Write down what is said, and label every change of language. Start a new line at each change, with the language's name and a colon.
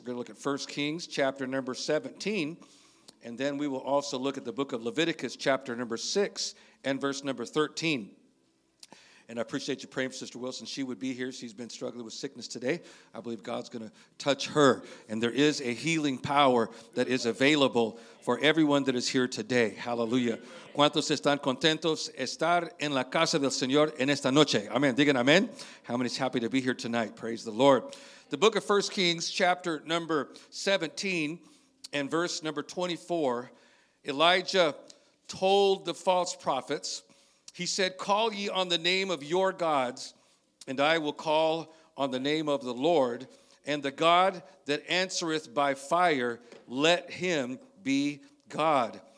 English: We're going to look at 1 Kings chapter number 17. And then we will also look at the book of Leviticus chapter number 6 and verse number 13. And I appreciate you praying for Sister Wilson. She would be here. She's been struggling with sickness today. I believe God's going to touch her. And there is a healing power that is available for everyone that is here today. Hallelujah.
Spanish: ¿Cuántos están contentos estar en la casa del Señor en esta noche? Amen. Digan amen.
English: How many is happy to be here tonight? Praise the Lord. The book of 1 Kings, chapter number 17 and verse number 24, Elijah told the false prophets, he said, call ye on the name of your gods, and I will call on the name of the Lord, and the God that answereth by fire, let him be God.